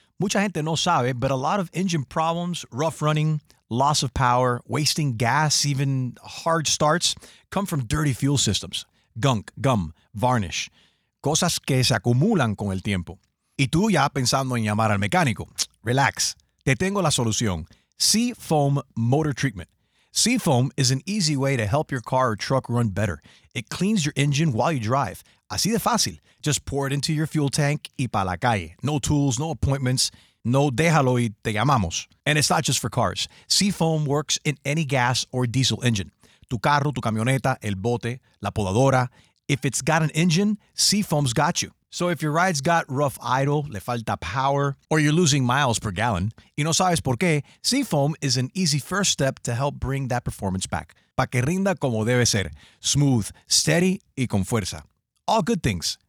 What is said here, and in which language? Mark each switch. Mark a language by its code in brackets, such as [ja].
[es] Mucha gente no sabe, [en] but a lot of engine problems, rough running, loss of power, wasting gas, even hard starts, come from dirty fuel systems. Gunk, gum, varnish. [es] Cosas que se acumulan con el tiempo. Y tú ya pensando en llamar al mecánico. Relax. Te tengo la solución. Seafoam Motor Treatment. [en] Seafoam is an easy way to help your car or truck run better. It cleans your engine while you drive. [es] Así de fácil. [en] Just pour it into your fuel tank [es] y pa' la calle. [en] No tools, no appointments, no [es] déjalo y te llamamos. [en] And it's not just for cars. Seafoam works in any gas or diesel engine. [es] Tu carro, tu camioneta, el bote, la podadora. [en] If it's got an engine, Seafoam's got you. So if your ride's got rough idle, [es] le falta [en] power, or you're losing miles per gallon, [es] y no sabes por qué, [en] Seafoam is an easy first step to help bring that performance back. [es] Pa' que rinda como debe ser. [en] Smooth, steady, [es] y con fuerza. [en] All good things.